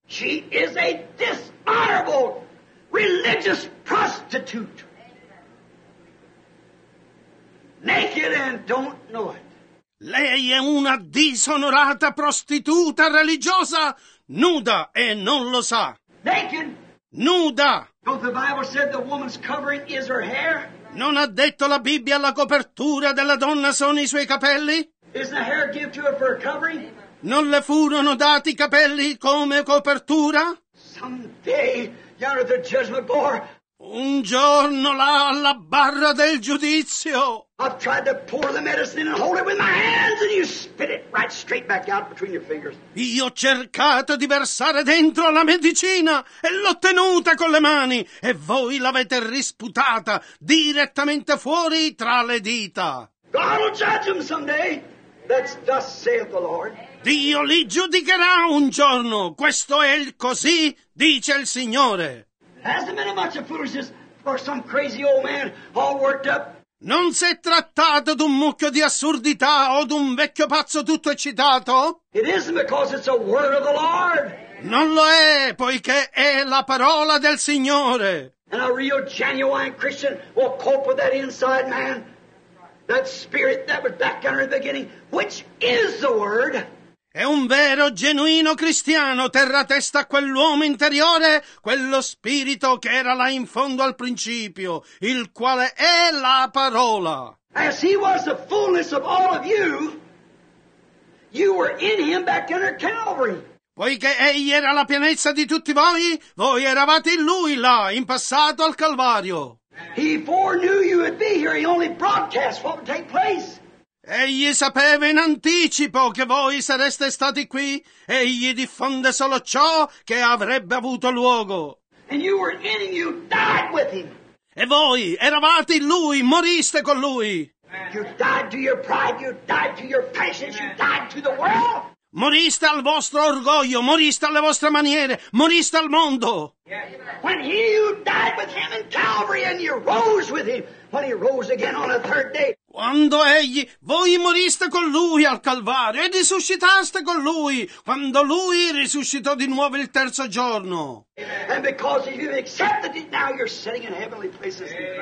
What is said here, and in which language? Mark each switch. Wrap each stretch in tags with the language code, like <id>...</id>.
<en>She is a dishonorable religious prostitute. Naked and don't know it.</en> <it>Lei è una disonorata prostituta religiosa, nuda e non lo sa.</it> <en>Naked.</en> <it>Nuda.</it> <en>Don't the Bible say the woman's covering is her hair?</en> <it>Non ha detto la Bibbia la copertura della donna sono i suoi capelli?</it> <en>Is the hair given to her for a covering?</en> <it>Non le furono dati i capelli come copertura?</it> <en>Someday, you're the judgment bar.</en> <it>Un giorno là alla barra del giudizio.</it> <en>I've tried to pour the medicine and hold it with my hands and you spit it right straight back out between your fingers.</en> <it>Io ho cercato di versare dentro la medicina e l'ho tenuta con le mani e voi l'avete risputata direttamente fuori tra le dita.</it> <en>God will judge him someday. That's thus saith the Lord.</en> <it>Dio li giudicherà un giorno. Questo è il così, dice il Signore. Ah!</it> <en>Hasn't been a bunch of foolishness or some crazy old man all worked up?</en> <it>Non si è trattato d'un mucchio di assurdità o d'un vecchio pazzo tutto eccitato?</it> <en>It isn't because it's a word of the Lord.</en> <it>Non lo è, poiché è la parola del Signore.</it> <en>And a real genuine Christian will cope with that inside man, that spirit that was back under the beginning, which is the word.</en> <it>E un vero, genuino cristiano terrà testa a quell'uomo interiore, quello spirito che era là in fondo al principio, il quale è la parola.</it> <en>As he was the fullness of all of you, you were in him back under Calvary.</en> <it>Poiché egli era la pienezza di tutti voi, voi eravate in lui là, in passato al Calvario.</it> <en>He foreknew you would be here, he only broadcast what would take place.</en> <it>Egli sapeva in anticipo che voi sareste stati qui, egli diffonde solo ciò che avrebbe avuto luogo.</it> <en>And you were in him, you died with him.</en> <it>E voi eravate in lui, moriste con lui.</it> <en>You died to your pride, you died to your passions, you died to the world.</en> <it>Moriste al vostro orgoglio, moriste alle vostre maniere, moriste al mondo.</it> <en>When he who died with him in Calvary and you rose with him, when he rose again on the third day.</en> <it>Quando egli, voi moriste con lui al Calvario e risuscitaste con lui, quando lui risuscitò di nuovo il terzo giorno.</it> <en>And because you've accepted it, now you're sitting in heavenly places.</en>